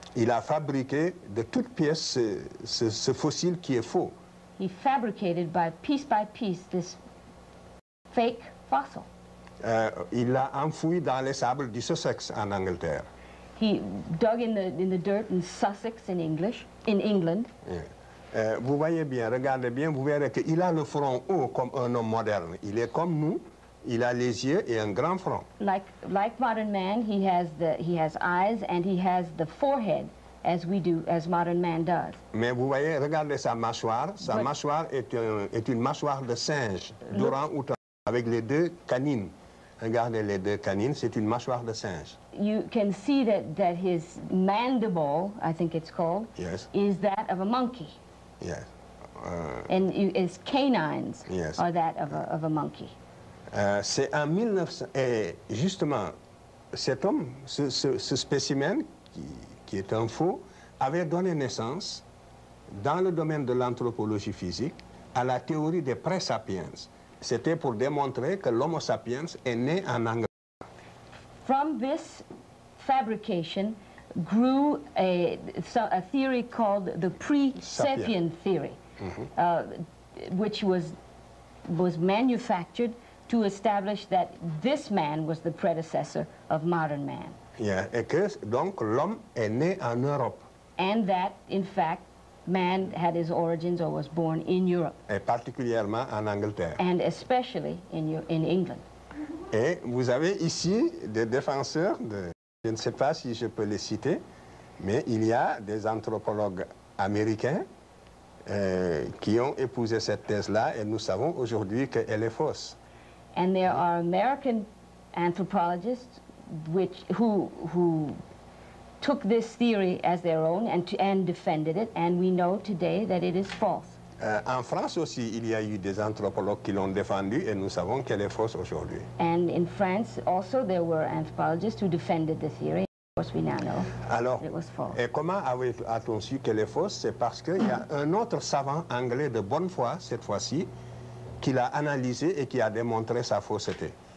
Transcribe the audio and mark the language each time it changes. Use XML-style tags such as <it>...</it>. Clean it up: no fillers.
<fr>Il a fabriqué de toute pièce ce fossile qui est faux.</fr> <en>He fabricated by piece this fake fossil.</en> <fr>Il l'a enfoui dans les sables du Sussex en Angleterre.</fr> <en>He dug in the dirt in Sussex in England. Yeah.</en> <fr>Vous voyez bien, regardez bien, vous verrez qu'il a le front haut comme un homme moderne. Il est comme nous. Il a les yeux et un grand front.</fr> <en>Like modern man, he has eyes and he has the forehead as we do, as modern man does.</en> <fr>Mais vous voyez, regardez sa mâchoire. Mâchoire est une mâchoire de singe, d'orang-outan, avec les deux canines. Regardez les deux canines, c'est une mâchoire de singe.</fr> <en>You can see that his mandible, I think it's called, yes, is that of a monkey. Yes. And his canines, yes, are that of a monkey.</en> <fr>C'est en 1900, et justement, cet homme, ce spécimen, qui est un faux, avait donné naissance, dans le domaine de l'anthropologie physique, à la théorie des pré-sapiens. C'était pour démontrer que l'homo sapiens est né en Angleterre.</fr> <en>From this fabrication grew a theory called the pre-sapien theory, which was manufactured to establish that this man was the predecessor of modern man.</en> <fr>Yeah, et que donc l'homme est né en Europe.</fr> <en>And that, in fact, man had his origins or was born in Europe.</en> <fr>Et particulièrement en Angleterre.</fr> <en>And especially in England.</en> <fr>Et vous avez ici des défenseurs de, je ne sais pas si je peux les citer, mais il y a des anthropologues américains qui ont épousé cette thèse-là et nous savons aujourd'hui qu'elle est fausse.</fr> <en>And there are American anthropologists who took this theory as their own and defended it, and we know today that it is false.</en> <fr>En France aussi, il y a eu des anthropologues qui l'ont défendu, et nous savons qu'elle est fausse aujourd'hui.</fr> <en>And in France also, there were anthropologists who defended the theory. Of course, we now know</en> <fr>Alors,</fr> <en>that it was false.</en> <fr>Et comment a-t-on su qu'elle est fausse? C'est parce qu'il y a un autre savant anglais de bonne foi, cette fois-ci, qui l'a analysé et qui a démontré sa fausseté.</fr>